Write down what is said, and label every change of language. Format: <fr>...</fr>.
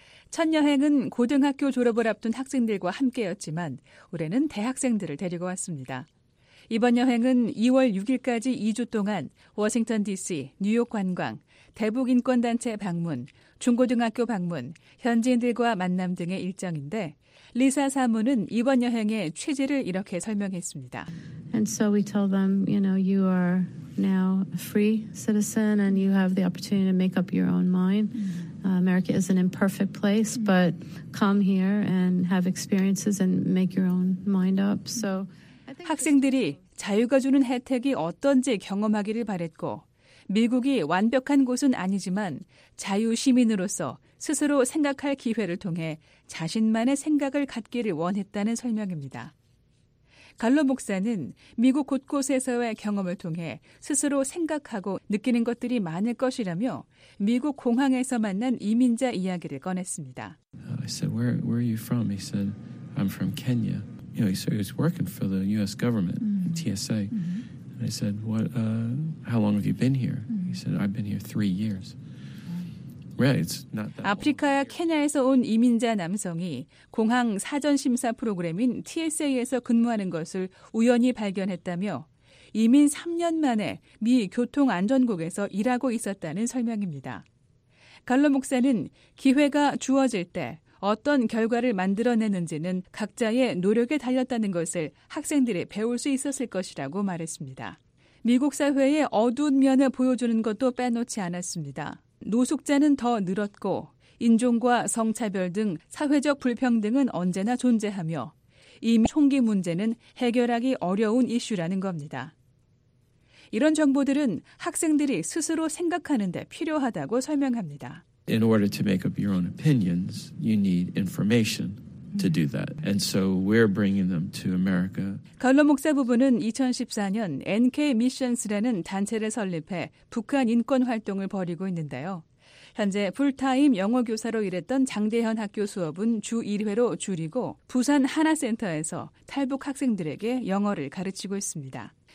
<ko>첫 여행은 고등학교 졸업을 앞둔 학생들과 함께였지만 올해는 대학생들을 데리고 왔습니다. 이번 여행은 2월 6일까지 2주 동안 워싱턴 DC, 뉴욕 관광, 대북인권단체 방문, 중고등학교 방문, 현지인들과 만남 등의 일정인데 리사 사모는 이번 여행의 취지를 이렇게 설명했습니다.</ko> <en>And so we tell them, you know, you are now a free citizen and you have the opportunity to make up your own mind. America is an imperfect place, but come here and have experiences and make your own mind up. So</en> <ko>학생들이 자유가 주는 혜택이 어떤지 경험하기를 바랬고 미국이 완벽한 곳은 아니지만 자유시민으로서 스스로 생각할 기회를 통해 자신만의 생각을 갖기를 원했다는 설명입니다. 갈로 목사는 미국 곳곳에서의 경험을 통해 스스로 생각하고 느끼는 것들이 많을 것이라며 미국 공항에서 만난 이민자 이야기를 꺼냈습니다.</ko> <en>I said, where are you from? He said, I'm from Kenya. You know, he was working for the U.S. government, TSA. And I said, how long have you been here? He said, I've been here 3 years. Right, it's not that</en> <ko>아프리카</ko> <en>long.</en> <ko>케냐에서 온 이민자 남성이 공항 사전심사 프로그램인 TSA에서 근무하는 것을 우연히 발견했다며 이민 3년 만에 미 교통안전국에서 일하고 있었다는 설명입니다. 갈로 목사는 기회가 주어질 때 어떤 결과를 만들어내는지는 각자의 노력에 달렸다는 것을 학생들이 배울 수 있었을 것이라고 말했습니다. 미국 사회의 어두운 면을 보여주는 것도 빼놓지 않았습니다. 노숙자는 더 늘었고 인종과 성차별 등 사회적 불평등은 언제나 존재하며 이민 총기 문제는 해결하기 어려운 이슈라는 겁니다. 이런 정보들은 학생들이 스스로 생각하는 데 필요하다고 설명합니다.</ko> <en>In order to make up your own opinions, you need information to do that. And so we're bringing them to America.</en> <ko>갈로 목사 부부는 2014년 NK 미션스라는 단체를 설립해 북한 인권 활동을 벌이고 있는데요. 현재 풀타임 영어 교사로 일했던 장대현 학교 수업은 주 1회로 줄이고 부산 하나센터에서 탈북 학생들에게 영어를 가르치고 있습니다.</ko>